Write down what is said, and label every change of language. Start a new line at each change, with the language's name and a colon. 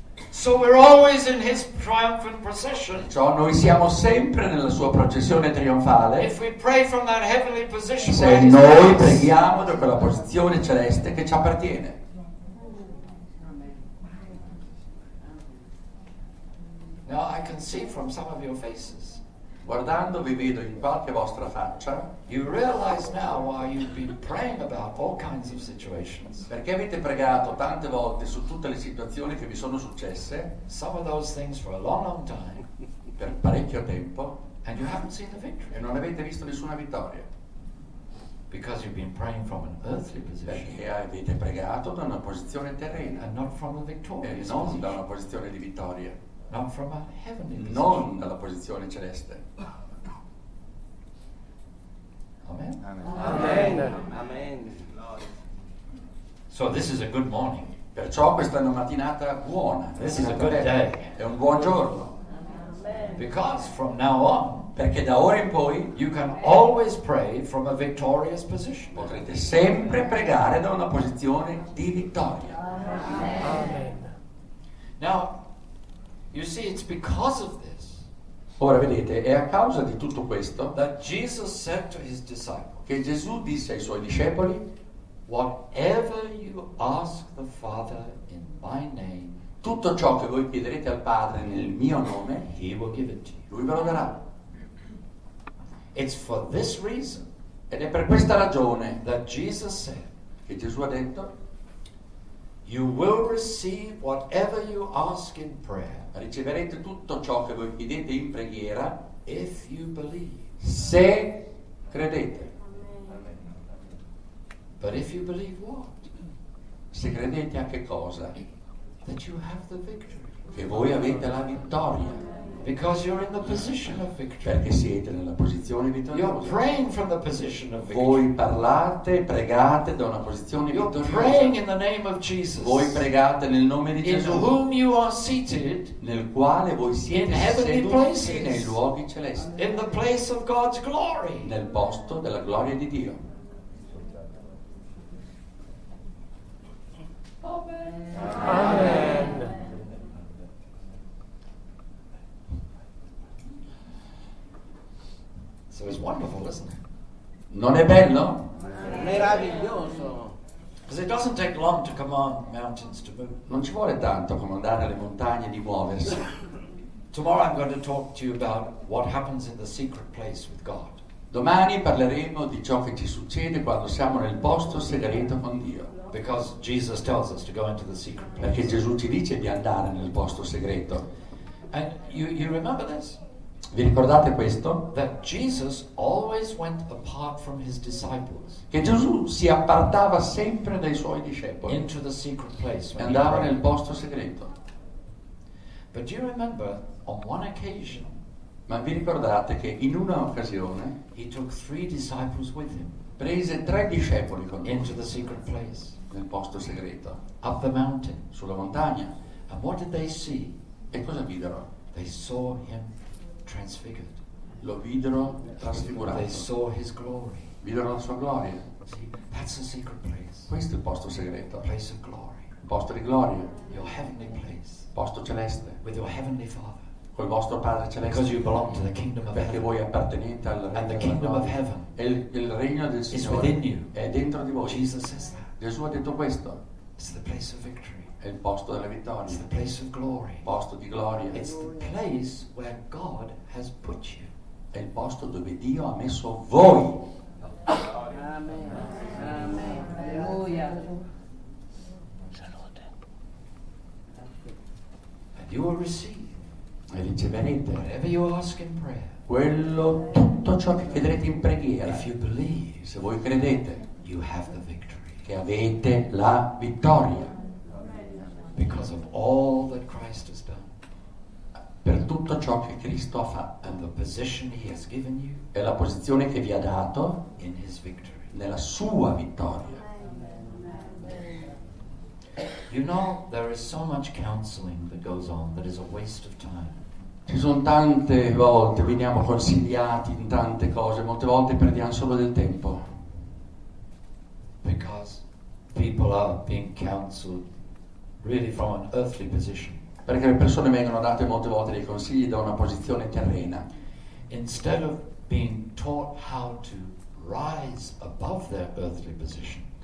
English: So we're always in his triumphant procession.
Italian: Ciò noi siamo sempre nella sua processione trionfale.
English: If we pray from that heavenly position,
Italian: se noi preghiamo da quella posizione celeste che ci appartiene.
English: Now I can see from some of your faces.
Italian: Guardando vi vedo in qualche vostra faccia.
English: You realize now why you've been praying about all kinds of situations.
Italian: Perché avete pregato tante volte su tutte le situazioni che vi sono successe.
English: Some of those things for a long, long time.
Italian: Per parecchio tempo.
English: And you haven't seen the victory.
Italian: E non avete visto nessuna vittoria.
English: Because you've been praying from an earthly position.
Italian: Perché avete pregato da una posizione terrena.
English: And not from a victorious position.
Italian: E non da una posizione di vittoria.
English: Not from a heavenly position.
Italian: Non dalla posizione celeste.
English: Amen. Amen. Amen. So this is a good morning.
Italian: Perciò questa è una mattinata buona.
English: This is a good day.
Italian: È un buon giorno.
English: Because from now on,
Italian: perché da ora in poi,
English: you can always pray from a victorious position.
Italian: Potrete sempre pregare da una posizione di vittoria.
English: Amen. Now. You see, it's because of this.
Italian: Ora vedete, è a causa di tutto questo.
English: That Jesus said to his disciples.
Italian: Che Gesù disse ai suoi discepoli.
English: Whatever you ask the Father in my name.
Italian: Tutto ciò che voi chiederete al Padre nel mio nome.
English: He will give it to you.
Italian: Lui ve lo darà.
English: It's for this reason.
Italian: Ed è per questa ragione.
English: That Jesus said.
Italian: Che Gesù ha detto.
English: You will receive whatever you ask in prayer.
Italian: Riceverete tutto ciò che voi chiedete in preghiera.
English: If you believe.
Italian: Se credete.
English: Amen. But if you believe what?
Italian: Se credete a che cosa?
English: That you have the victory.
Italian: Che voi avete la vittoria.
English: Because you're in the position of victory.
Italian: Perché siete nella posizione vittoriosa.
English: You're praying from the position of victory.
Italian: Voi parlate, pregate da una posizione
English: you're
Italian: vittoriosa.
English: You're praying in the name of Jesus.
Italian: Voi pregate nel nome di Gesù.
English: In whom you are seated.
Italian: Nel quale voi siete
English: in heavenly
Italian: seduti
English: places.
Italian: Nei luoghi celesti.
English: In the place of God's glory.
Italian: Nel posto della gloria di Dio.
English: Amen. So it's wonderful, isn't it?
Italian: Non è bello? Meraviglioso.
English: Because it doesn't take long to command mountains to move.
Italian: Non ci vuole tanto comandare le montagne di muoversi.
English: Tomorrow I'm going to talk to you about what happens in the secret place with God.
Italian: Domani parleremo di ciò che ci succede quando siamo nel posto segreto con Dio.
English: Because Jesus tells us to go into the secret place.
Italian: Perché Gesù ci dice di andare nel posto segreto.
English: And you remember this?
Italian: Vi ricordate questo?
English: That Jesus always went apart from his disciples.
Italian: Che Gesù si appartava sempre dai suoi discepoli.
English: Into the secret place.
Italian: E andava nel posto segreto.
English: But do you remember on one occasion?
Italian: Ma vi ricordate che in una occasione
English: he took three disciples with him,
Italian: prese tre discepoli con lui
English: into the secret place,
Italian: nel posto segreto,
English: up the mountain,
Italian: sulla montagna.
English: And what did they see?
Italian: E cosa videro?
English: They saw him transfigured.
Italian: Lo videro trasfigurato.
English: They saw his glory.
Italian: Videro la sua gloria.
English: See, that's the secret place.
Italian: Questo è il posto segreto.
English: Place of glory.
Italian: Posto di gloria.
English: Your heavenly place.
Italian: Posto celeste.
English: With your heavenly Father.
Italian: Col vostro Padre celeste.
English: Because you belong to the kingdom of
Italian: heaven. Perché voi appartenete al
English: regno. And the kingdom of heaven.
Italian: Il regno del Signore
English: is within you.
Italian: È dentro di voi.
English: Jesus says that.
Italian: Gesù ha detto questo.
English: It's the place of victory.
Italian: È il posto della vittoria.
English: It's the place of glory.
Italian: Posto di gloria.
English: It's the place where God has put you.
Italian: È il posto dove Dio ha messo voi.
English: Amen. Amen. Alleluia.
Italian: Salute.
English: And you will receive.
Italian: E riceverete
English: whatever you ask in prayer,
Italian: quello, tutto ciò che chiederete in preghiera.
English: If you believe,
Italian: se voi credete,
English: you have the victory,
Italian: che avete la vittoria.
English: Because of all that Christ has done,
Italian: per tutto ciò che Cristo ha fatto,
English: and the position he has given you,
Italian: e la posizione che vi ha dato,
English: in his victory,
Italian: nella sua vittoria.
English: You know, there is so much counseling that goes on that is a waste of time.
Italian: Ci sono tante volte veniamo consigliati in tante cose, molte volte perdiamo solo del tempo.
English: Because people are being counseled really from an earthly position.
Italian: Perché le persone vengono date molte volte dei consigli da una posizione terrena.
English: Instead of being taught how to rise above their earthly position.